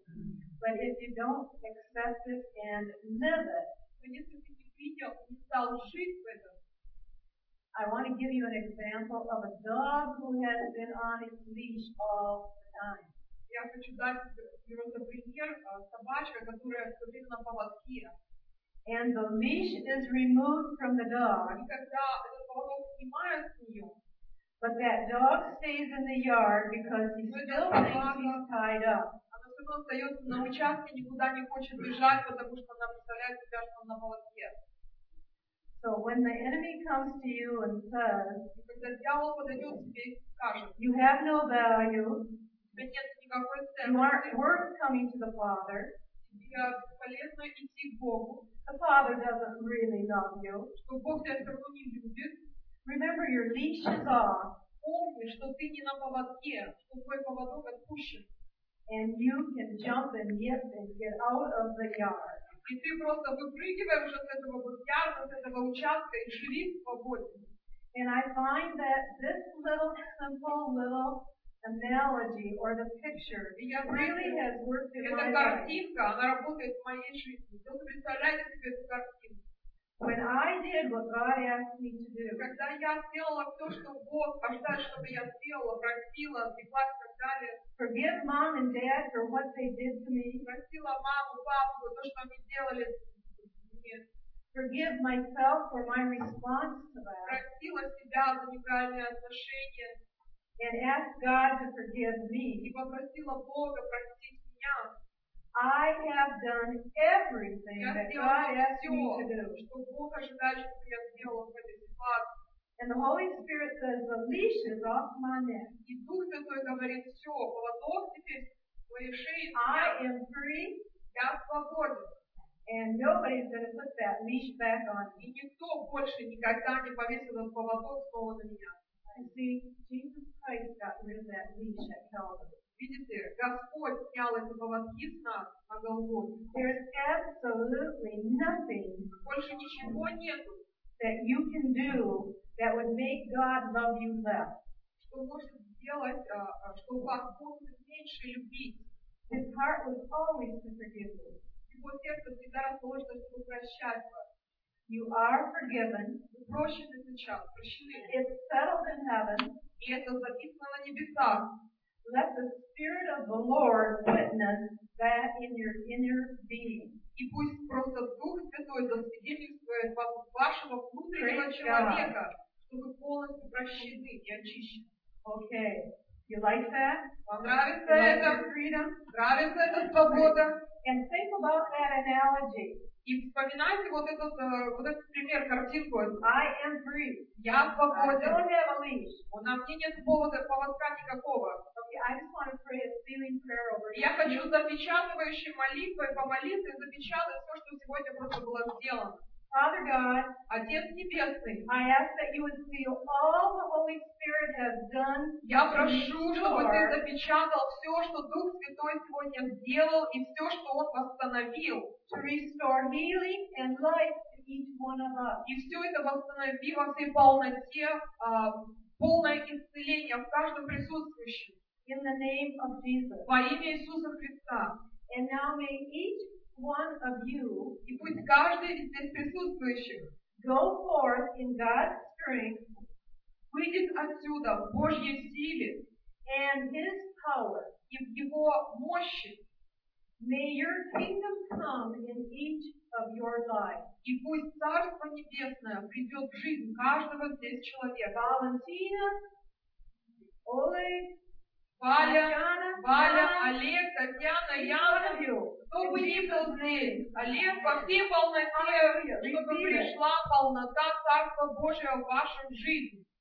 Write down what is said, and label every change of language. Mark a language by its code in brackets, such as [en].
[en] But if you don't accept it and live it, [ru] но если ты не принял и стал жить в этом, [en] I want to give you an example of a dog who has been on its leash all the time. [ru] Я хочу дать просто пример собачка, которая все время на поводке. [en] And the leash is removed from the dog. [ru] И когда этот поводок снимают с нее. [en] But that dog stays in the yard because he still thinks he's tied up. [ru] Она все равно остается на участке, никуда не хочет бежать, потому что она представляет себя, что она на поводке. [en] So when the enemy comes to you and says, [ru] и когда дьявол подойдет тебе и скажет, [en] you have no value, [ru] у тебя нет никакой ценности, [en] you aren't worth coming to the Father, [ru] тебе бесполезно идти к Богу, [en] the Father doesn't really love you. [ru] Что Бог тебя все равно не любит. [en] Remember, your leash is off. [ru] Помни, что ты не на поводке, что твой поводок отпущен. [en] And you can jump and yip and get out of the yard. [ru] И ты просто выпрыгивай уже с этого будья, с этого участка и живи свободно. [en] And I find that this little simple little analogy or the picture really has worked in my life. [ru] Эта картинка, она работает в моей жизни. Вот представляете себе эту картинку. [en] When I did what God asked me to do, [ru] когда я сделала то, что Бог ожидает, чтобы я сделала, просила, взяла и так далее, [en] forgive mom and dad for what they did to me, [ru] просила маму, папу, то, что они делали мне, [en] forgive myself for my response to that. [ru] Простила себя за неправильное отношение. [en] And ask God to forgive me. [ru] И попросила Бога простить меня. [en] I have done everything that God asked me to do. [ru] Я сделала все, что Бог ожидает, чтобы я сделала в этой ситуации. [en] And the Holy Spirit says, the leash is off my neck. [ru] И Дух Святой говорит, все, поводок теперь с твоей шеи. [en] I am free. [ru] Я свободен. [en] And nobody's going to put that leash back on me. [ru] И никто больше никогда не повесит этот поводок снова на меня. [en] See, Jesus Christ got rid of that leash at Calvary. [ru] Видите, Господь снял эти поводки с нас на Голгофе. [en] There's absolutely nothing. [ru] Больше ничего нету. [en] That you can do that would make God love you less. [ru] Что можно сделать, чтобы вас Бог меньше любить? [en] His heart was always to forgive you. [ru] Его сердце всегда расположено, чтобы прощать вас. [en] You are forgiven. [ru] Вы прощены сейчас, прощены. [en] It's settled in heaven. [ru] И это записано на небесах. [en] Let the Spirit of the Lord witness that in your inner being. [ru] И пусть просто Дух Святой засвидетельствует вашего внутреннего человека, чтобы полностью прощены и очищены. [en] Okay. You like that? [ru] Вам нравится это? [en] Freedom? [ru] Нравится эта свобода? [en] And think about that analogy. [ru] И вспоминайте вот этот пример, картинку. [en] I am free. [ru] Я свободен. [en] I don't have a leash. [ru] У нас нет повода, поводка никакого. [en] Okay, I just want to pray a sealing prayer over [ru] you. Я хочу запечатывающей молитвой помолиться и запечатать все, что сегодня просто было сделано. [en] Father God, [ru] Отец Небесный, [en] I ask that you would seal all the Holy Spirit has done. [ru] Я прошу, чтобы ты запечатал все, что Дух Святой сегодня сделал и все, что Он восстановил. [en] To restore healing and life to each one of us. [ru] И все это восстанови во всей полноте, полное исцеление в каждом присутствующем. [en] In the name of Jesus. [ru] Во имя Иисуса Христа. [en] And now may each one of you. [ru] И пусть каждый из здесь присутствующих. [en] Go forth in God's strength. [ru] Выйдет отсюда в Божьей силе. [en] And His power. [ru] И в Его мощи. [en] May your kingdom come in each of your lives. [ru] И пусть Царство Небесное придет в жизнь каждого здесь человека. Валентина, Олег, Валя, Татьяна, Валя, Олег, Татьяна, Яна, кто бы ни был здесь, Олег, по всей полноте, чтобы пришла полнота Царства Божьего в вашу жизнь.